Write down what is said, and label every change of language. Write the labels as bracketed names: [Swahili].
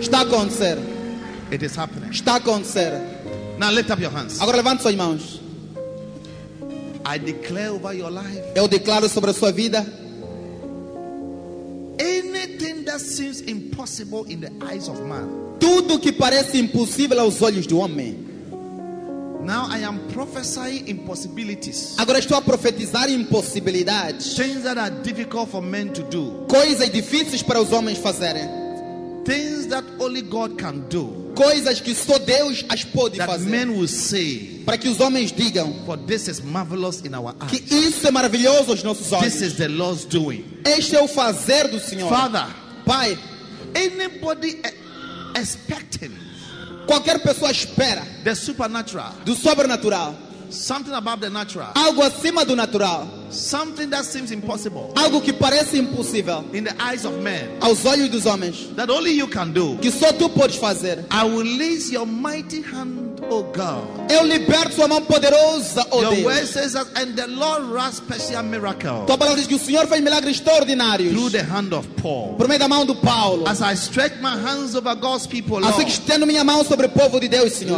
[Portuguese] Está acontecendo. [English] It is happening. [Portuguese] Está acontecendo. [English] Now lift up your hands. [Portuguese] Agora levante suas mãos. [English] I declare over your life. [Portuguese] Eu declaro sobre a sua vida. [English] Anything that seems impossible in the eyes of man. [Portuguese] Tudo que parece impossível aos olhos do homem. [English] Now I am prophesying impossibilities. [Portuguese] Agora estou a profetizar impossibilidades. [English] Things that are difficult for men to do. [Portuguese] Coisas difíceis para os homens fazerem. [English] Things that only God can do. [Portuguese] Coisas que só Deus as pode [English] that [Portuguese] fazer. [English] Men will say, [Portuguese] para que os homens digam. [English] For this is marvelous in our eyes. [Portuguese] Que isso é maravilhoso aos nossos olhos. [English] This is the Lord's doing. [Portuguese] Este é o fazer do Senhor. [English] Father, [Portuguese] Pai, [English] anybody expecting, [Portuguese] qualquer pessoa espera [English] the supernatural, [Portuguese] do sobrenatural. [English] Something above the natural. [Portuguese] Algo acima do natural. [English] Something that seems impossible. [Portuguese] Algo que parece impossível. [English] In the eyes of men. [Portuguese] Aos olhos dos homens. [English] That only you can do. [Portuguese] Que só tu podes fazer. [English] I will release your mighty hand, O God. [Portuguese] Eu liberto sua mão poderosa, O Deus. [English] Your word says that, and the Lord wrought special miracle. [Portuguese] Tua palavra diz que o Senhor fez milagres extraordinários. [English] Through the hand of Paul. [Portuguese] Por meio da mão do Paulo. [English] As I stretch my hands over God's people, Lord. [Portuguese] Assim que estendo minha mão sobre o povo de Deus, Senhor.